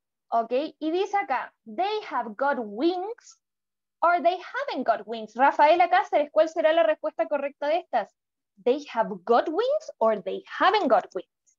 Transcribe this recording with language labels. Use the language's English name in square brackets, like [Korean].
[English] Ok, [Spanish] y dice acá, [English] they have got wings. Or they haven't got wings. [Spanish] Rafaela Cáceres, ¿cuál será la respuesta correcta de estas? [English] They have got wings or they haven't got wings.